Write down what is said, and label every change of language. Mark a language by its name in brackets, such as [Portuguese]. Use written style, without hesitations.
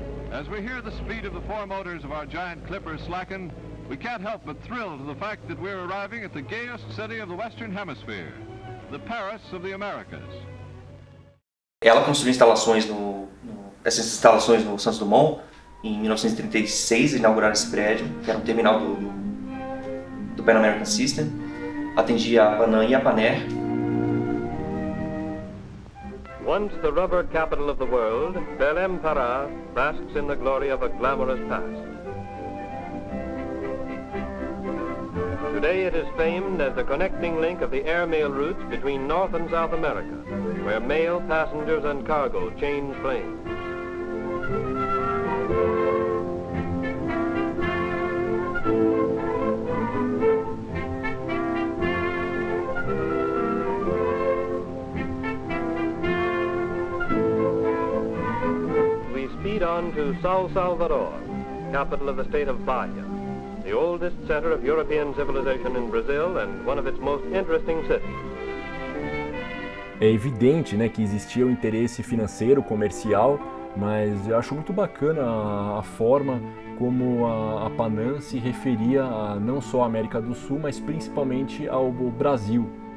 [English] As we hear the speed of the four motors of our giant clipper slacken, we can't help but thrill to the fact that we're arriving at the gayest city of the Western Hemisphere, the Paris of the Americas. [Portuguese] Ela construiu instalações essas instalações no Santos Dumont, em 1936, inauguraram esse prédio, que era um terminal do Pan American System, atendia a Pan Am e a Pan Air. [English] Once the rubber capital of the world, Belém Pará basks in the glory of a glamorous past. Today it is famed as the connecting link of the airmail routes between North and South America, where mail, passengers and cargo change planes. On to São Salvador, capital of the state of Bahia, the oldest center of European civilization in Brazil and one of its most interesting cities. [Portuguese] É evidente, né, que existia um interesse financeiro, comercial, mas eu acho muito bacana a forma como a Pan Am se referia a não só à América do Sul, mas principalmente ao Brasil.